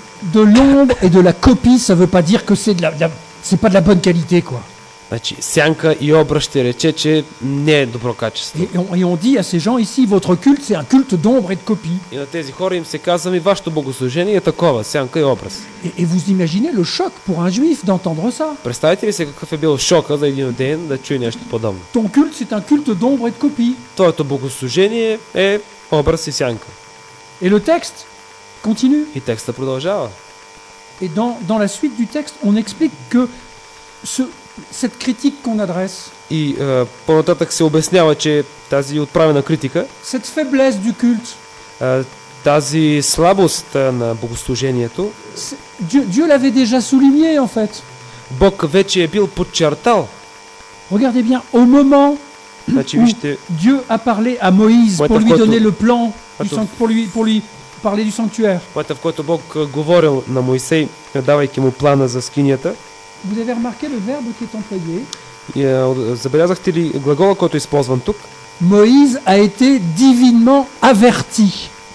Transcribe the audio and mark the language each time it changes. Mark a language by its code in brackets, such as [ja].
[fr] De l'ombre et de la copie, ça veut pas dire que c'est de la. C'est pas de la bonne qualité, quoi. [bg] Значи, сянка и образ ще рече, че не е добро качество. [fr] Et on dit à ces gens ici, votre culte, c'est un culte d'ombre et de copie. [bg] И на тези хора им се казва, ми вашето богослужение е такова, сянка и образ. [fr] Et vous imaginez le choc pour un juif d'entendre ça? [bg] Представете ли се какъв е бил шока за един ден да чуе нещо подобно? [fr] Ton culte, c'est un culte d'ombre et de copie. [bg] Твоето богослужение е образ и сянка. [fr] Et le texte continue. [bg] И текста продължава. [fr] Et dans la suite du texte, on explique que cette critique qu'on adresse. [bg] И по-нататък се обяснява, че тази отправена критика. [fr] Cette faiblesse du culte. [bg] Тази слабост на богослужението. [fr] Dieu l'avait déjà souligné, en fait. [bg] Бог вече е бил подчертал. [fr] Regardez bien, au moment où Dieu a parlé à Moïse pour lui donner le plan, pour lui. Parler du sanctuaire. [bg] Поетът, в който Бог говорил на Моисей, давайки му плана за скинията. [fr] Vous avez remarqué le verbe qui est employé? [bg] Забелязахте ли глагола, който е използван тук? [fr] Moïse a été divinement averti.